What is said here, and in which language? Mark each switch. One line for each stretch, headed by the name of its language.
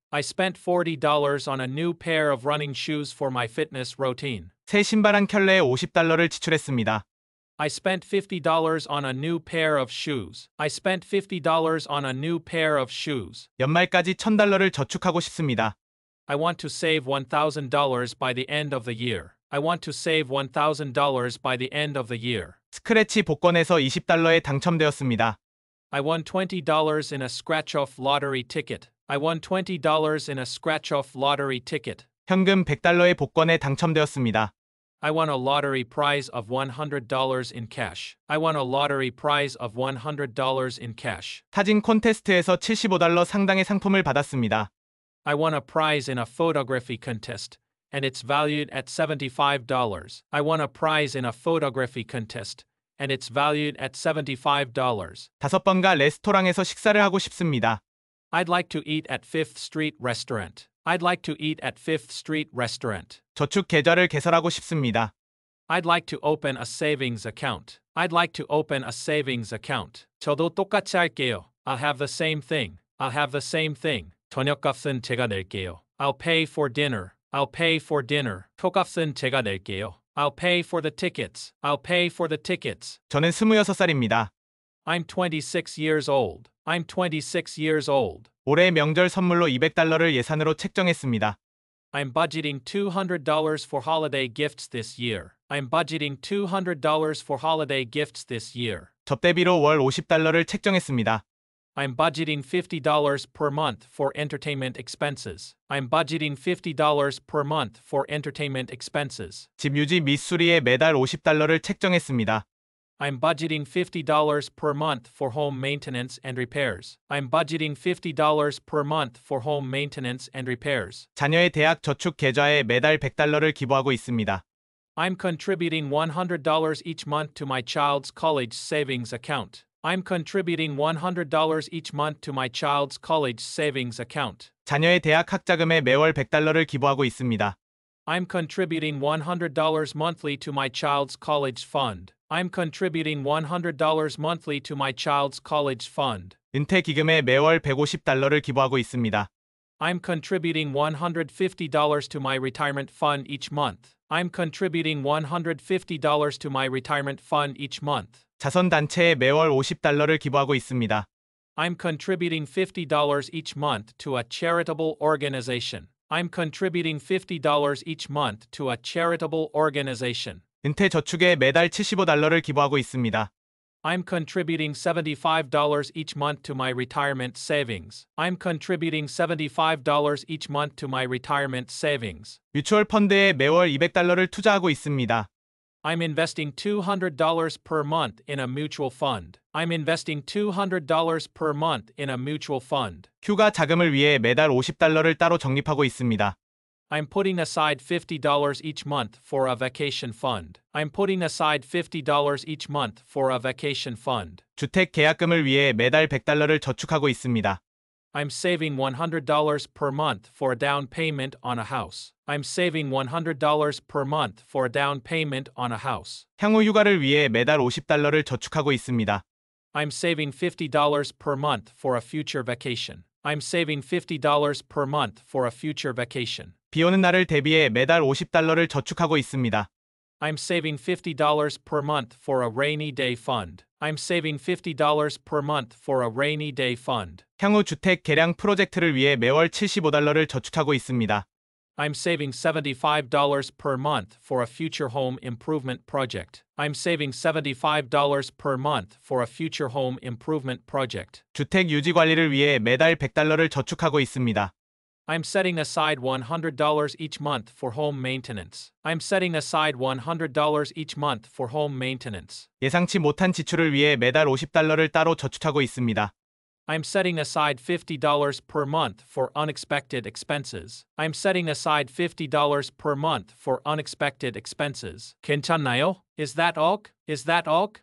English: I spent $40 on a new pair of running shoes for my fitness routine.
Korean: 새 신발 한 켤레에 $50를 지출했습니다.
English: I spent $50 on a new pair of shoes. I spent $50 on a new pair of shoes.
Korean: 연말까지 $1,000를 저축하고 싶습니다.
English: I want to save $1,000 by the end of the year. I want to save $1,000 by the end of the year.
Korean: 스크래치 복권에서 $20에 당첨되었습니다.
English: I won $20 in a scratch-off lottery ticket. I won $20 in a scratch-off lottery ticket.
Korean: 현금 $100의 복권에 당첨되었습니다.
English: I won a lottery prize of $100 in cash. I won a lottery prize of $100 in cash.
Korean: 사진 콘테스트에서 $75 상당의 상품을 받았습니다.
English: I won a prize in a photography contest, and it's valued at $75. I won a prize in a photography contest, and it's valued at $75.
Korean: 다섯 번가 레스토랑에서 식사를 하고 싶습니다.
English: I'd like to eat at Fifth Street Restaurant. I'd like to eat at Fifth Street Restaurant.
Korean: 저축 계좌를 개설하고 싶습니다.
English: I'd like to open a savings account. I'd like to open a savings account.
Korean: 저도 똑같이 할게요.
English: I'll have the same thing. I'll have the same thing.
Korean: 저녁값은 제가 낼게요.
English: I'll pay for dinner. I'll pay for dinner.
Korean: 표값은 제가 낼게요.
English: I'll pay for the tickets. I'll pay for the tickets.
Korean: 저는 26살입니다.
English: I'm 26 years old. I'm 26 years old.
Korean: 올해 명절 선물로 $200를 예산으로 책정했습니다.
English: I'm budgeting $200 for holiday gifts this year. I'm budgeting $200 for holiday gifts this year.
Korean: 접대비로 월 $50를 책정했습니다.
English: I'm budgeting $50 per month for entertainment expenses. I'm budgeting $50 per month for entertainment expenses.
Korean: 집 유지 및 수리에 매달 $50를 책정했습니다.
English: I'm budgeting $50 per month for home maintenance and repairs. I'm budgeting $50 per month for home maintenance and repairs.
Korean: 자녀의 대학 저축 계좌에 매달 $100를 기부하고 있습니다.
English: I'm contributing $100 each month to my child's college savings account. I'm contributing $100 each month to my child's college savings account.
Korean: 자녀의 대학 학자금에 매월 $100를 기부하고 있습니다.
English: I'm contributing $100 monthly to my child's college fund. I'm contributing $100 monthly to my child's college fund.
Korean: 은퇴 기금에 매월 $150를 기부하고 있습니다.
English: I'm contributing $150 to my retirement fund each month. I'm contributing $150 to my retirement fund each month.
Korean: 자선 단체에 매월 $50를 기부하고 있습니다.
English: I'm contributing $50 each month to a charitable organization. I'm contributing $50 each month to a charitable organization.
Korean: 은퇴 저축에 매달 $75를 기부하고 있습니다.
English: I'm contributing $75 each month to my retirement savings. I'm contributing $75 each month to my retirement savings.
Korean: 뮤추얼 펀드에 매월 $200를 투자하고 있습니다.
English: I'm investing $200 per month in a mutual fund. I'm investing $200 per month in a mutual fund.
Korean: 휴가 자금을 위해 매달 $50를 따로 적립하고 있습니다.
English: I'm putting aside $50 each month for a vacation fund. I'm putting aside $50 each month for a vacation fund.
Korean: 주택 계약금을 위해 매달 $100를 저축하고 있습니다.
English: I'm saving $100 per month for a down payment on a house. I'm saving $100 per month for a down payment on a house.
Korean: 향후 휴가를 위해 매달 $50를 저축하고 있습니다.
English: I'm saving $50 per month for a future vacation. I'm saving $50 per month for a future vacation.
Korean: 비 오는 날을 대비해 매달 $50를 저축하고 있습니다.
English: I'm saving $50 per month for a rainy day fund. I'm saving $50 per month for a rainy day fund.
Korean: 향후 주택 개량 프로젝트를 위해 매월 $75를 저축하고 있습니다.
English: I'm saving $75 per month for a future home improvement project. I'm saving $75 per month for a future home improvement project.
Korean: 주택 유지 관리를 위해 매달 $100를 저축하고 있습니다.
English: I'm setting aside $100 each month for home maintenance. I'm setting aside $100 each month for home maintenance.
Korean: 예상치 못한 지출을 위해 매달 $50를 따로 저축하고 있습니다.
English: I'm setting aside $50 per month for unexpected expenses. I'm setting aside $50 per month for unexpected expenses.
Korean: 괜찮나요?
English: Is that all? Is that all?